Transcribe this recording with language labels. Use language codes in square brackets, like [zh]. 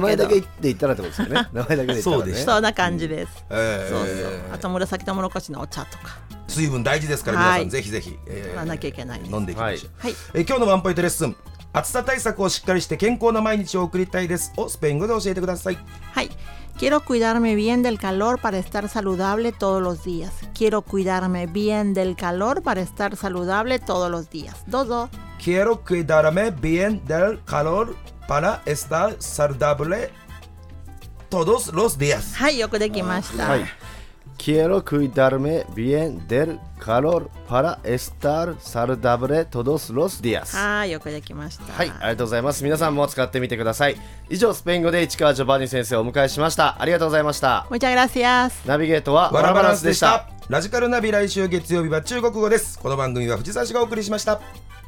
[ja] 名前だけ言ったらってことですよね。名前だけで言ったらね。そうな感じです。うん、そうそう、あと紫とうもろこしのお茶とか。水分大事ですから、皆さん、はい、ぜひぜひ、飲まなきゃいけない、飲んでいきましょう。はい、今日のワンポイントレッスン、暑さ対策をしっかりして健康な毎日を送りたいですをスペイン語で教えてください。 [es] はい、Quiero cuidarme bien del calor para estar saludable todos los días. Quiero cuidarme bien del calor para estar saludable todos los días. Dodo. Quiero cuidarme bien del calor para estar saludable todos los días. [ja] はい、よくできました。はい。 [es] Quiero cuidarme bien del calor para estar saludable todos los días。 [ja] はい、よくできました。はい、ありがとうございます。皆さんも使ってみてください。以上、スペイン語で市川ジョバニ先生をお迎えしました。ありがとうございました。 [es] Muchas gracias。 [ja] ナビゲートはワラバランスでした。ラジカルナビ、来週月曜日は中国語です。この番組は藤沢氏がお送りしました。